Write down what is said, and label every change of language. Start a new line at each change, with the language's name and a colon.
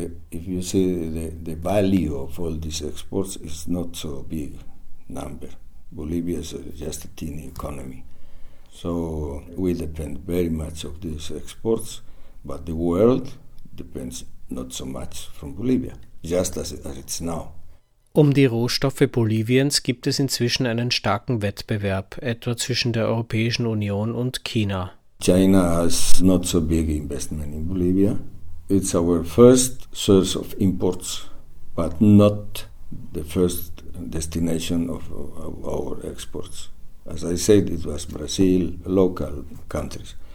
English: If you see the value of all these exports, it's not so big number. Bolivia is just a teeny economy. So we depend very much of these exports, but the world depends not so much from Bolivia, just as it's now.
German: Um die Rohstoffe Boliviens gibt es inzwischen einen starken Wettbewerb, etwa zwischen der Europäischen Union und China.
English: China has not so big investment in Bolivia. It's our first source of imports, but not the first destination of our exports. As I said, it was Brazil, local countries.